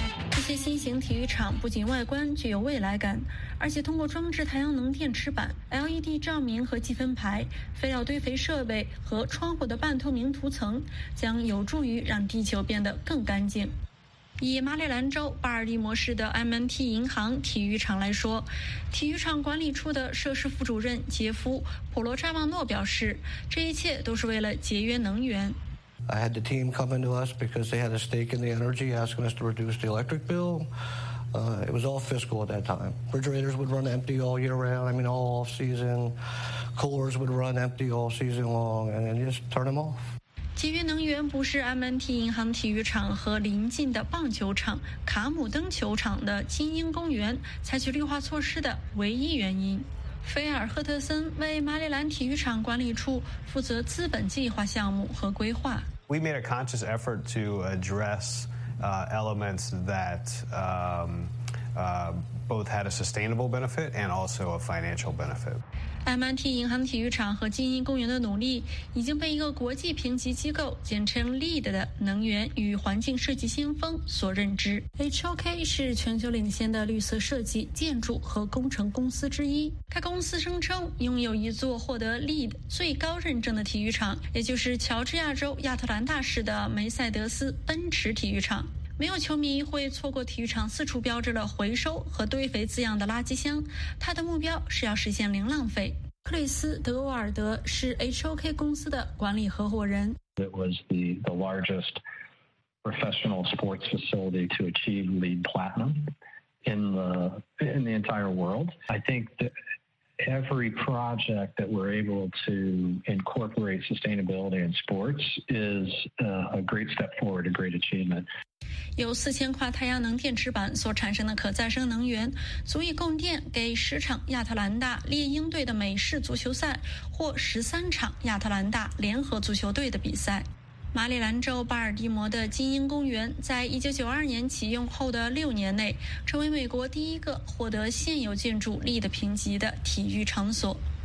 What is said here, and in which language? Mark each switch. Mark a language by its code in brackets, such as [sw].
[zh] 这些新型体育场不仅外观具有未来感，而且通过装置太阳能电池板、 LED 照明和计分牌、废料堆肥设备和窗户的半透明涂层，将有助于让地球变得更干净。以马里兰州巴尔的摩市的 M&T 银行体育场来说，体育场管理处的设施副主任杰夫·普罗扎旺诺表示，这一切都是为了节约能源。 [en] I had the team coming to us because they had a stake in the energy, asking us to reduce the electric bill. It was all fiscal at that time. Refrigerators would run empty all year round, I mean all off season. Coolers would run empty all season long, and then just turn them off. [zh] 节约能源不是 M&T 银行体育场和邻近的棒球场、卡姆登球场的精英公园采取绿化措施的唯一原因。菲尔·赫特森为马里兰体育场管理处负责资本计划项目和规划。 [en] We made a conscious effort to address elements that both had a sustainable benefit and also a financial benefit. [zh] M&T 银行体育场和精英公园的努力已经被一个国际评级机构，简称 LEED 的能源与环境设计先锋所认知。 HOK 是全球领先的绿色设计、建筑和工程公司之一。该公司声称拥有一座获得 LEED 最高认证的体育场，也就是乔治亚州亚特兰大市的梅赛德斯奔驰体育场。没有球迷会错过体育场四处标志了回收和堆肥字样的垃圾箱，他的目标是要实现零浪费。克里斯·德沃尔德是 HOK 公司的管理合伙人。 [en] It was the largest professional sports facility to achieve LEED Platinum in the entire world. I think that every project that we're able to incorporate sustainability in sports is a great step forward, a great achievement. [zh] 由4000块太阳能电池板所产生的可再生能源足以供电给10场亚特兰大猎鹰队的美式足球赛或13场亚特兰大联合足球队的比赛。马里兰州巴尔的摩的精英公园在1992年启用后的6年内成为美国第一个获得现有建筑LEED评级的体育场所。